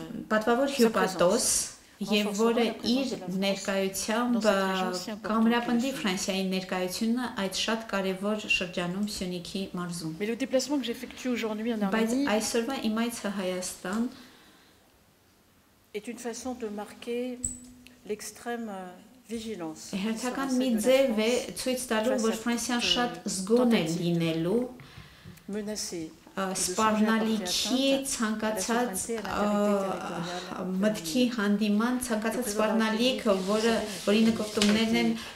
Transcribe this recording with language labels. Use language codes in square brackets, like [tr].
[hy] պատվավոր հյուպատոս, և որը իր ներկայությամբ կամրապնդի Ֆրանսիայի ներկայությունը այդ շատ կարևոր շրջանում Սյունիքի մարզում։ Բայց այսօրվա իմ այցը Հայաստան [fr] est une façon de marquer l'extrême vigilance. [hy] Հերթական մի ձև է ցույց տալու, որ Ֆրանսիան շատ զգոն է լինելու սպառնալիքի ցանկացած մտքի հանդիման, ցանկացած սպառնալիք, որի նկատումներն են